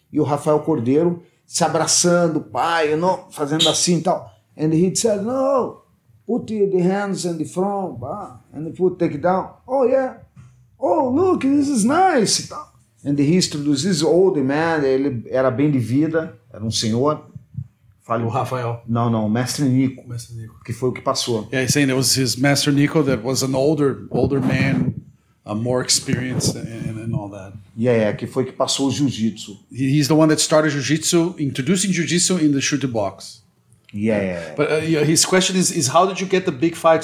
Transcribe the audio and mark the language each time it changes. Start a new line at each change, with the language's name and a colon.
Portuguese: e o Rafael Cordeiro se abraçando, pai, não, fazendo assim e tal.
English: And he said, no, put the hands in the front, and put take down. Oh, yeah. Oh, look, this is nice. And he introduced this old man,
Portuguese: ele era bem de vida, era um senhor. Fale o Rafael. Não, não, Mestre Nico. Mestre Nico. Que foi o que passou.
English: Yeah, he's saying it was his Master Nico that was an older man, a more experienced and all that.
Portuguese: Yeah, que foi que passou o jiu-jitsu.
English: He's the one that started jiu-jitsu, introducing jiu-jitsu in the shooting box. Yeah. But his question is how did you get the big fight?